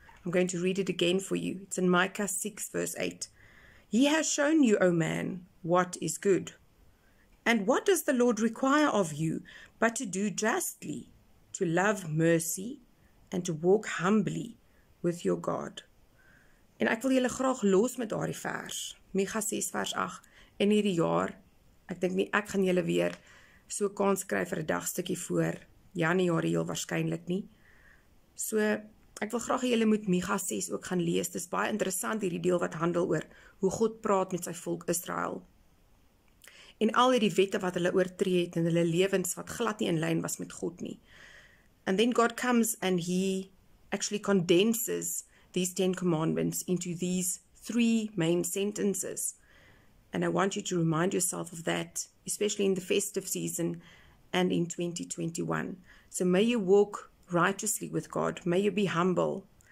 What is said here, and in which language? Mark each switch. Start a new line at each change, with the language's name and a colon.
English: I'm going to read it again for you. It's in Micah 6 verse 8. "He has shown you, O man, what is good. And what does the Lord require of you but to do justly, to love mercy, and to walk humbly with your God."
Afrikaans: En ek wil julle graag los met daardie vers, Micha 6 vers 8, in hierdie jaar. Ek dink nie ek gaan julle weer so kans kry vir 'n dagstukkie voor Januarie heel waarskynlik nie. So ek wil graag hê julle moet Micha 6 ook gaan lees. Dis baie interessant hierdie deel wat handel oor hoe God praat met sy volk Israel. En al hierdie wette wat hulle oortree het in hulle lewens wat glad nie in lyn was met God nie.
English: And then God comes and he actually condenses these Ten Commandments into these three main sentences. And I want you to remind yourself of that, especially in the festive season and in 2021. So may you walk righteously with God. May you be humble.